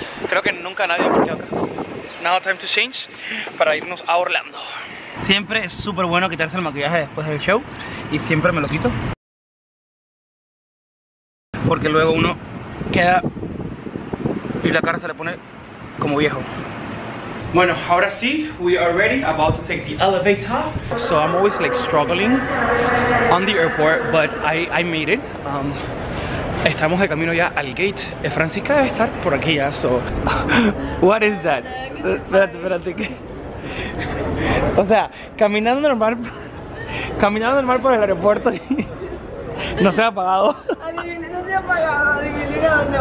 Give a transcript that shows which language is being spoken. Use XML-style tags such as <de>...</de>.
<es>Creo que nunca nadie ha parqueado acá.</es> <en>Now time to change</en> <es>para irnos a Orlando. Siempre es súper bueno quitarse el maquillaje después del show y siempre me lo quito, porque luego uno queda y la cara se le pone como viejo. Bueno, ahora sí,</es> <en>we are ready, about to take the elevator. So I'm always like struggling on the airport, but I made it.</en> <es>Estamos de camino ya al gate. Francisca debe estar por aquí ya, so...</es> <en>What is that?</en> <es>Espérate, ¿qué? O sea, caminando normal... Caminando normal por el aeropuerto y... No se ha apagado. Adivina, no se ha apagado, adivina dónde.</es>